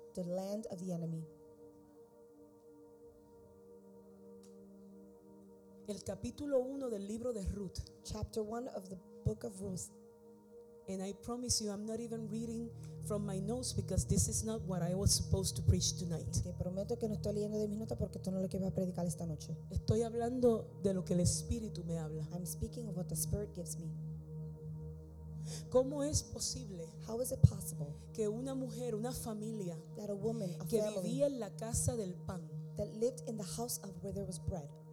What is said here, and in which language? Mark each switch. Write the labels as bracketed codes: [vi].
[en] The land of the enemy. [es] El capítulo 1 del libro de Ruth. [en] Chapter 1 of the book of Ruth. And I promise you, I'm not even reading from my notes because this is not what I was supposed to preach tonight. [es] Te prometo que no estoy leyendo de mis notas porque tú no lo que vas a predicar esta noche. Estoy hablando de lo que el Espíritu me habla. [en] I'm speaking of what the Spirit gives me. [es] ¿Cómo es posible? [en] How is it possible? [es] Que una mujer, una familia, [en] that a woman, a [es] que [en] family, [es] vivía en la casa del pan, [en] that lived in the house of where there was bread.